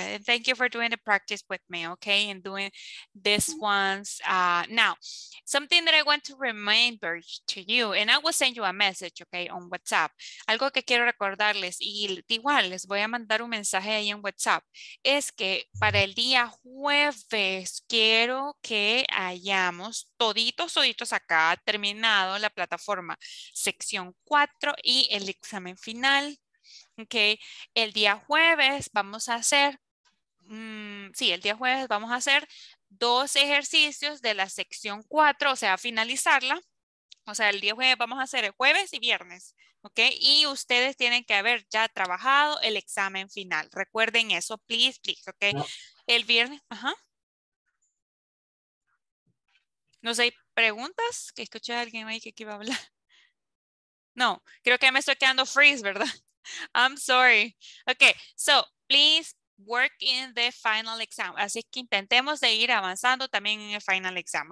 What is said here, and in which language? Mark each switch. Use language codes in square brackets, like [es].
[en] And thank you for doing the practice with me, okay? And doing this ones. Now, something that I want to remember to you, and I will send you a message, okay, on WhatsApp. [es] Algo que quiero recordarles, y igual les voy a mandar un mensaje ahí en WhatsApp, es que para el día jueves quiero que hayamos toditos acá terminado la plataforma sección 4 y el examen final. Que okay. El día jueves vamos a hacer, el día jueves vamos a hacer dos ejercicios de la sección 4, o sea, finalizarla. O sea, el día jueves vamos a hacer el jueves y viernes, ¿ok? Y ustedes tienen que haber ya trabajado el examen final. Recuerden eso, please, ¿ok? El viernes, ajá. No sé, ¿preguntas? Que escuché a alguien ahí que iba a hablar. No, creo que me estoy quedando freeze, ¿verdad? [en] I'm sorry. Okay, so please work in the final exam. [es] Así que intentemos de ir avanzando también en el [en] final exam.